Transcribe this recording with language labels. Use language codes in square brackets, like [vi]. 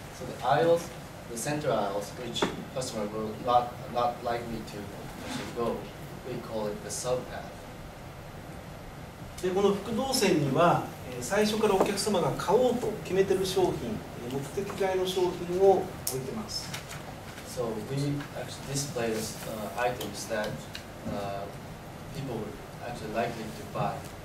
[en] So the aisles, the center aisles, which customer will not likely to actually go, we call it the sub path. [ja] で、この副動線には、最初からお客様が買おうと決めてる商品、目的外の商品を置いてます。 [en] So we actually display items that people would actually likely to buy.